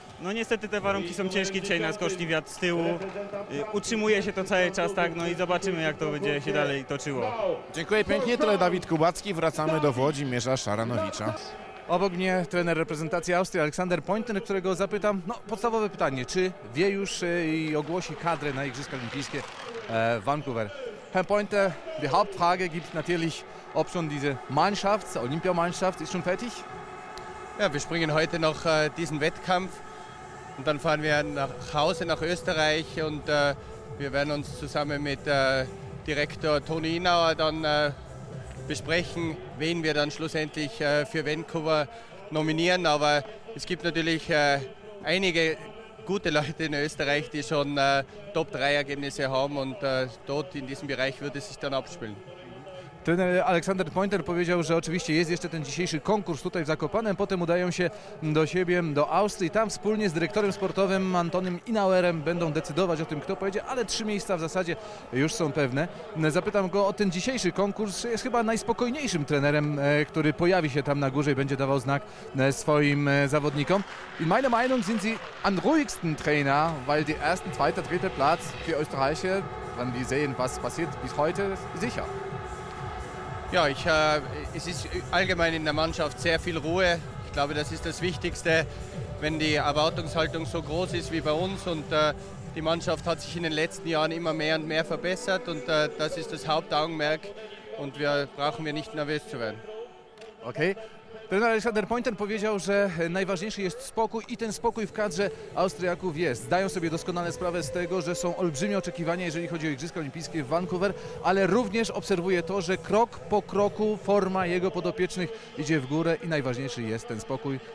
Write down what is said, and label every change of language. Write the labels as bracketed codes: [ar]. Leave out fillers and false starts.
[pl] No niestety te warunki są ciężkie, dzisiaj nas koszli wiatr z tyłu. Utrzymuje się to cały czas, tak, no i zobaczymy, jak to będzie się dalej toczyło. Dziękuję pięknie, tyle Dawid Kubacki. Wracamy do Włodzimierza Szaranowicza. Obok mnie trener reprezentacji Austrii, Aleksander Pointer, którego zapytam, no podstawowe pytanie, czy wie już i ogłosi kadrę na Igrzyska Olimpijskie w Vancouver? [de] Herr Pointer, die Hauptfrage gibt natürlich, ob schon diese Mannschaft, Olympiamannschaft, ist schon fertig? Ja, wir springen heute noch diesen Wettkampf und dann fahren wir nach Hause, nach Österreich und wir werden uns zusammen mit Direktor Toni Inauer dann besprechen, wen wir dann schlussendlich für Vancouver nominieren. Aber es gibt natürlich einige gute Leute in Österreich, die schon Top-3-Ergebnisse haben und dort in diesem Bereich wird es sich dann abspielen. [pl] Trener Aleksander Pointer powiedział, że oczywiście jest jeszcze ten dzisiejszy konkurs tutaj w Zakopanem, potem udają się do siebie, do Austrii. Tam wspólnie z dyrektorem sportowym Antonym Inauerem będą decydować o tym, kto pojedzie, ale trzy miejsca w zasadzie już są pewne. Zapytam go o ten dzisiejszy konkurs. Jest chyba najspokojniejszym trenerem, który pojawi się tam na górze i będzie dawał znak swoim zawodnikom. [de] In meiner Meinung sind Sie am ruhigsten Trainer, weil die ersten, zweite, dritte Platz für Österreicher, wenn die sehen, was passiert bis heute, sicher. Ja, es ist allgemein in der Mannschaft sehr viel Ruhe. Ich glaube, das ist das Wichtigste, wenn die Erwartungshaltung so groß ist wie bei uns. Und die Mannschaft hat sich in den letzten Jahren immer mehr und mehr verbessert. Und das ist das Hauptaugenmerk. Und wir brauchen wir nicht nervös zu werden. Okay. [pl] Trener Aleksander Pointer powiedział, że najważniejszy jest spokój i ten spokój w kadrze Austriaków jest. Zdają sobie doskonale sprawę z tego, że są olbrzymie oczekiwania, jeżeli chodzi o Igrzyska Olimpijskie w Vancouver, ale również obserwuje to, że krok po kroku forma jego podopiecznych idzie w górę i najważniejszy jest ten spokój.